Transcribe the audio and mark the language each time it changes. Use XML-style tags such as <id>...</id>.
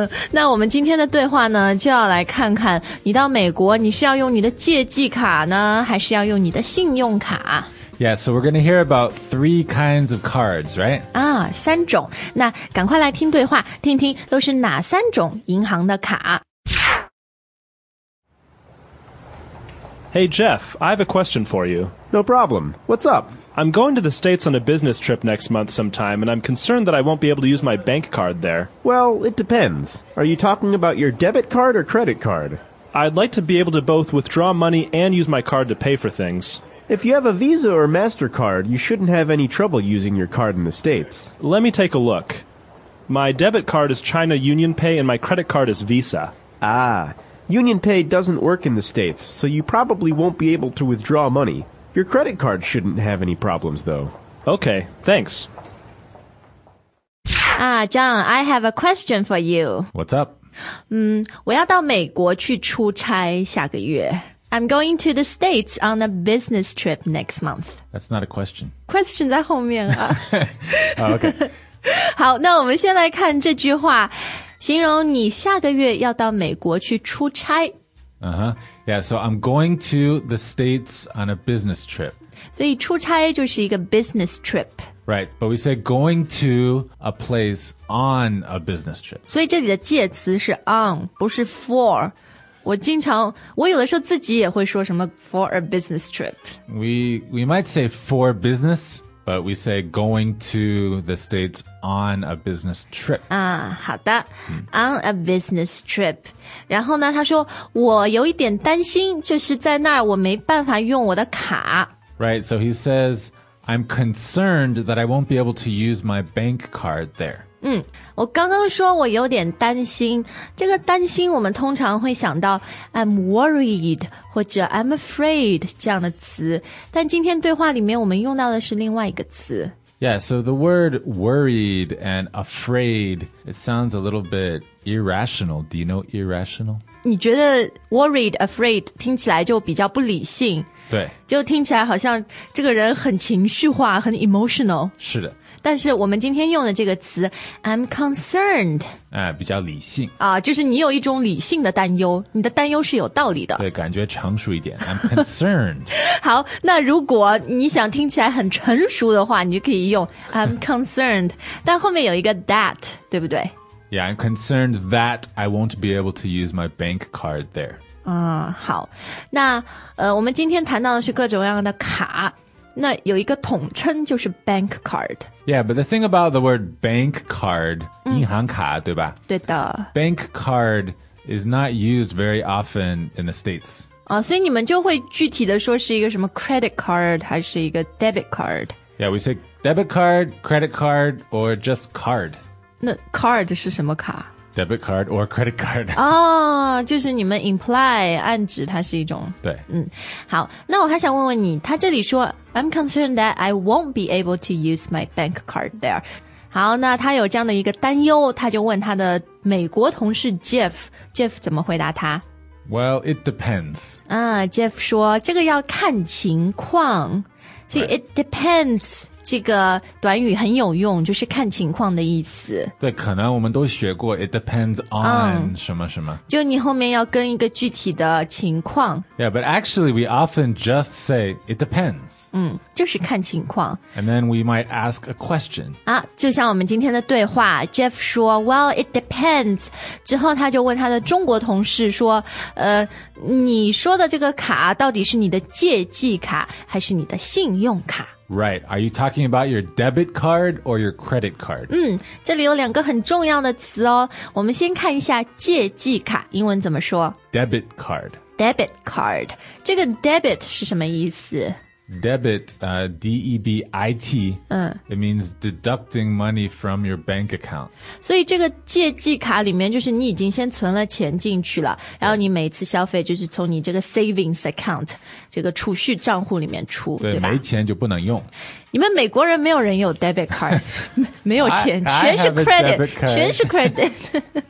<zh>那我们今天的对话呢，就要来看看你到美国，你是要用你的借记卡呢，还是要用你的信用卡？</zh> <en>Yeah, so we're going to hear about three kinds of cards, right?</en> <zh>三种。那赶快来听对话，听听都是哪三种银行的卡。</zh> <en>Hey, Jeff, I have a question for you. No problem. What's up? I'm going to the States on a business trip next month sometime, and I'm concerned that I won't be able to use my bank card there. Well, it depends. Are you talking about your debit card or credit card? I'd like to be able to both withdraw money and use my card to pay for things. If you have a Visa or MasterCard, you shouldn't have any trouble using your card in the States. Let me take a look. My debit card is China UnionPay and my credit card is Visa. Ah, UnionPay doesn't work in the States, so you probably won't be able to withdraw money. Your credit card shouldn't have any problems, though. Okay, thanks. John, I have a question for you. What's up?</en> <zh>我要到美国去出差下个月。</zh> <en>I'm going to the States on a business trip next month. That's not a question.</en> <zh>Question 在后面啊。</zh> <en>Okay.</en> <zh>好，那我们先来看这句话，形容你下个月要到美国去出差。</zh> <en>Yeah, so I'm going to the States on a business trip.</en> <zh>所以出差就是一个 business trip.</zh> <en>Right, but we say going to a place on a business trip.</en> <zh>所以这里的介词是 on, 不是 for. 我有的时候自己也会说什么</zh> <en>for a business trip. We might say for business, but we say going to the States on a business trip.</en> <zh>好的、on a business trip. 然后呢，他说我有一点担心，就是在那儿我没办法用我的卡。</zh> <en>Right, so he says, I'm concerned that I won't be able to use my bank card there.</en> <zh>我刚刚说我有点担心，这个担心我们通常会想到 I'm worried 或者 I'm afraid 这样的词，但今天对话里面我们用到的是另外一个词。</zh> <en>Yeah, so the word worried and afraid, it sounds a little bit irrational. Do you know irrational?</en> <zh>你觉得 worried, afraid 听起来就比较不理性？对，就听起来好像这个人很情绪化，很 emotional。是的，但是我们今天用的这个词</zh> <en>I'm concerned、</en> <zh>比较理性、就是你有一种理性的担忧，你的担忧是有道理的。对，感觉成熟一点</zh> <en>I'm concerned.</en> <zh>好，那如果你想听起来很成熟的话，你就可以用</zh> <en>I'm concerned.</en> <zh>但后面有一个 that, 对不对？</zh> <en>Yeah, I'm concerned that I won't be able to use my bank card there.</en> <zh>好，那我们今天谈到的是各种各样的卡，那有一个统称就是 bank card.</zh> <en>Yeah, but the thing about the word bank card,</en> <zh>银行卡，对吧？对的。</zh> <en>Bank card is not used very often in the States.</en> <zh>所以你们就会具体的说是一个什么 credit card 还是一个 debit card?</zh> <en>Yeah, we say debit card, credit card, or just card.</en> <zh>那 card 是什么卡？</zh> <en>Debit card or credit card.</en> <zh>就是你们 imply, 暗指它是一种。对。好，那我还想问问你，他这里说</zh> <en>I'm concerned that I won't be able to use my bank card there.</en> <zh>好，那他有这样的一个担忧，他就问他的美国同事 Jeff, Jeff 怎么回答他？</zh> <en>Well, it depends.</en> <zh>Jeff 说这个要看情况。</zh> <en>See, right. It depends.</en> <zh>这个短语很有用，就是看情况的意思。对，可能我们都学过</zh> <en>It depends on</en> <zh>什么什么，就你后面要跟一个具体的情况。</zh> <en>Yeah, but actually we often just say It depends.</en> <zh>就是看情况。</zh> <en>And then we might ask a question.</en> <zh>就像我们今天的对话， Jeff 说</zh> <en>Well, it depends.</en> <zh>之后他就问他的中国同事说你说的这个卡到底是你的借记卡还是你的信用卡？</zh> <en>Right, are you talking about your debit card or your credit card?</en> <zh>这里有两个很重要的词哦。我们先看一下借记卡，英文怎么说？</zh> <en>Debit card. Debit card.</en> <zh>这个 debit 是什么意思？</zh> <en>debit, D-E-B-I-T, it means deducting money from your bank account.</en> <zh>所以这个借记卡里面就是你已经先存了钱进去了，然后你每次消费就是从你这个 savings account, 这个储蓄账户里面出，对吧？没钱就不能用。你们美国人没有人有 debit card, 没有钱全是 credit</zh>